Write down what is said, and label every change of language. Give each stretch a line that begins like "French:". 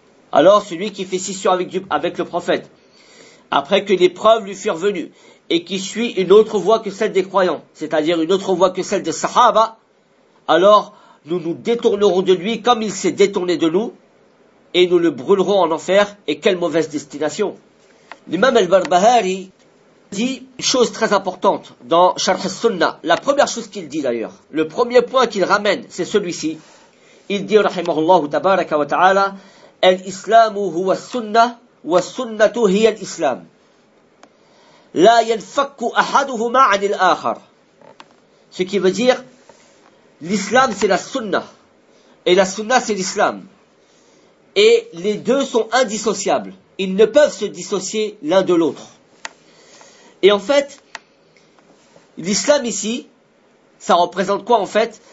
French: Alors celui qui fait scission avec le prophète, après que les preuves lui furent venues, et qui suit une autre voie que celle des croyants, c'est-à-dire une autre voie que celle des sahaba, alors nous nous détournerons de lui comme il s'est détourné de nous, et nous le brûlerons en enfer, et quelle mauvaise destination. L'imam al-Barbahari dit une chose très importante dans Sharh al-Sunna. La première chose qu'il dit d'ailleurs, le premier point qu'il ramène, c'est celui-ci. Il dit,
Arabic: rahimahullah tabaraka wa ta'ala, الإسلام هو السنة والسنة هي الإسلام لا ينفك أحدهما عن الآخر.
French: Ce qui veut dire, l'islam c'est la sunna, et la sunna c'est l'islam, et les deux sont indissociables, ils ne peuvent se dissocier l'un de l'autre. Et en fait, l'islam ici, ça représente quoi en fait?